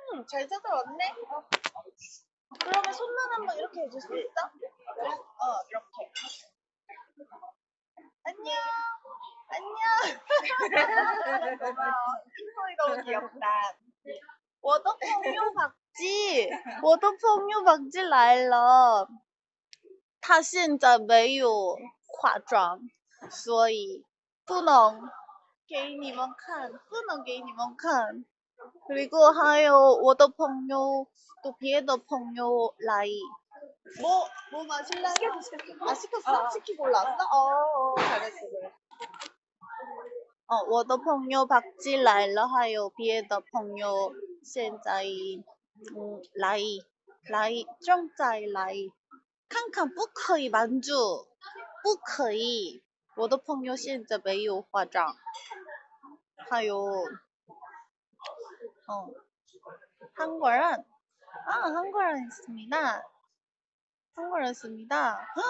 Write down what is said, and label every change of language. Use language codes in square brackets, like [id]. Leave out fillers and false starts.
[ko] 잘찾아왔네그러면손만한번이렇게해줄수있어어이렇게안녕안녕 고마워흰소리너무귀엽다 [zh] 我的朋友박지我的朋友박지来了他现在没有化妆，所以不能给你们看，不能给你们看。 [ko] 그리고 [zh] 还有我的朋友， [ko] 또 [zh] 别的朋友来。 [ko] 뭐마실래요？ 시켰어시켰어 아시켰어 시키고올라왔어어잘했어잘했어 [zh] 어我的朋友박지来了，还有别的朋友现在来正在来。看看不可以瞒住，不可以。我的朋友现在没有化妆，还有，韩国人，韩国人 [ko] 있습니다， [zh] 韩国人있습니다。